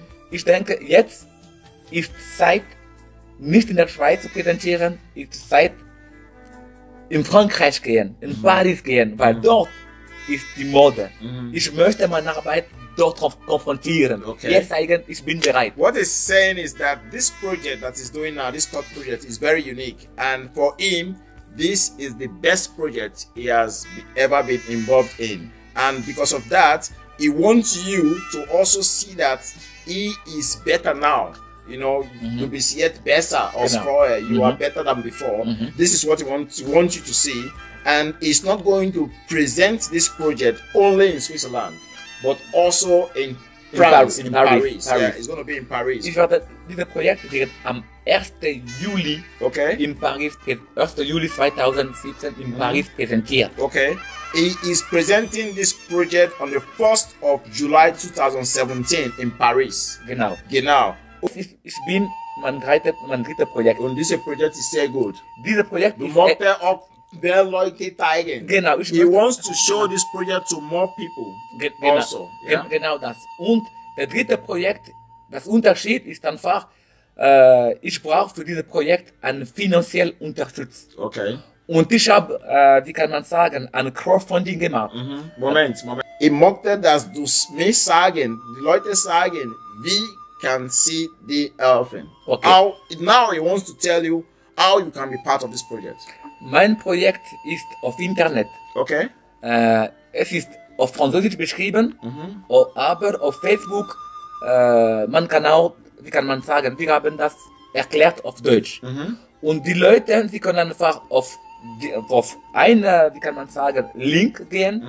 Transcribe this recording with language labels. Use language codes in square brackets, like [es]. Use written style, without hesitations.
[de] Ich denke, jetzt ist Zeit, nicht in der Schweiz zu präsentieren, ist Zeit in Frankreich gehen, in Paris gehen, weil dort ist die Mode. Ich möchte meine Arbeit dort konfrontieren. Okay. Jetzt zeigen, ich bin bereit. [en] What is saying is that this project that is doing now, this top project, is very unique. And for him, this is the best project he has ever been involved in. And because of that, he wants you to also see that he is better now. You know, to be yet better or stronger, you are better than before. This is what we want you to see. And he's not going to present this project only in Switzerland, but also in Paris. Yeah, it's going to be in Paris. [de] Ich werde dieses Projekt wird am 1. Juli in Paris, 1. Juli 2017 in Paris präsentiert. Okay. [en] He is presenting this project on the 1st of July 2017 in Paris. [de] Genau. Ich bin mein dritter Projekt. Und dieses Projekt ist sehr gut. Dieses Projekt ist sehr gut. Du machst auch mehr Leute zeigen. Genau. [en] He wants to show this project to more people. [de] Genau das. Und der dritte Projekt, das Unterschied ist einfach, ich brauche für dieses Projekt einen finanziellen Unterstützung. Okay. Und ich habe, wie kann man sagen, ein Crowdfunding gemacht. Mhm. Moment. Ich möchte, dass du mir sagen, die Leute sagen, wie kann sie die helfen? Okay. [en] How, now he wants to tell you how you can be part of this project. [de] Mein Projekt ist auf Internet. Okay. Es ist auf Französisch beschrieben, mhm. aber auf Facebook, man kann auch, wie kann man sagen, wir haben das erklärt auf Deutsch. Mhm. Und die Leute, sie können einfach auf einen, wie kann man sagen, Link gehen.